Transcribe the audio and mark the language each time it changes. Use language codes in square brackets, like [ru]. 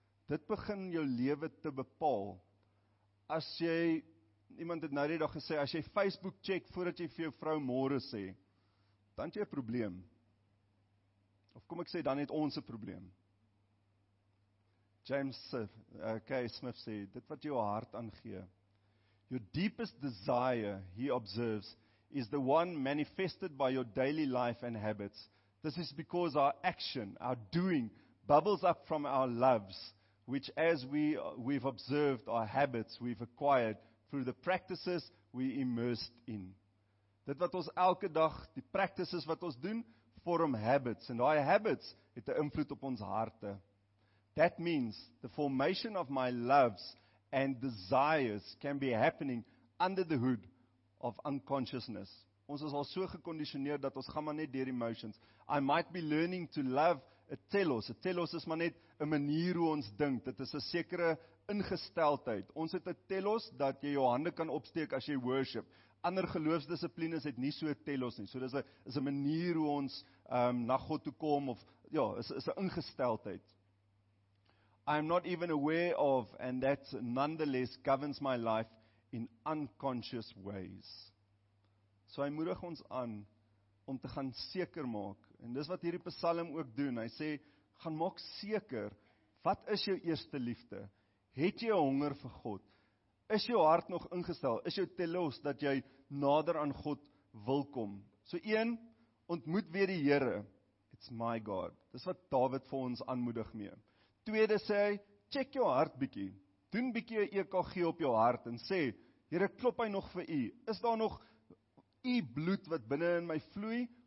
[af] Dit begin jou lewe te bepaal. As jy, iemand het nou die dag gesê, as jy Facebook check voordat jy vir jou vrou môre sê, dan het jy 'n probleem. Of kom ek sê, dan het ons 'n probleem. K. Smith sê, dit wat jy jou hart aan gee. [en] Your deepest desire, he observes, is the one manifested by your daily life and habits. This is because our action, our doing, bubbles up from our loves, which as we've observed, are habits we've acquired through the practices we immersed in. [af] Dit wat ons elke dag, die practices wat ons doen, vorm habits, [en] and our habits [af] het 'n invloed op ons harte. [en] That means the formation of my loves and desires can be happening under the hood of unconsciousness. [af] Ons is al so gekondisioneer dat ons gaan maar net deur die emotions. [en] I might be learning to love a telos. [af] A telos is maar net 'n manier hoe ons dink. Dit is 'n sekere ingesteldheid. Ons het 'n telos dat jy jou hande kan opsteek as jy worship. Ander geloofsdissiplines het nie so 'n telos nie. So dis 'n manier hoe ons na God toe kom of ja, is 'n ingesteldheid. [en] I am not even aware of and that nonetheless governs my life in unconscious ways. [af] So hy moedig ons aan om te gaan seker maak, en dis wat hierdie psalm ook doen, hy sê, gaan maak seker, wat is jou eerste liefde? Het jy honger vir God? Is jou hart nog ingestel? Is jou telos dat jy nader aan God wil kom? So een, ontmoet weer die Here. [en] It's my God. [af] Dis wat Dawid vir ons aanmoedig mee. Tweede sê hy, check jou hart bietjie. Doen bietjie 'n EKG op jou hart en sê, Here, klop hy nog vir u? Is daar nog u bloed wat binne in my vloei?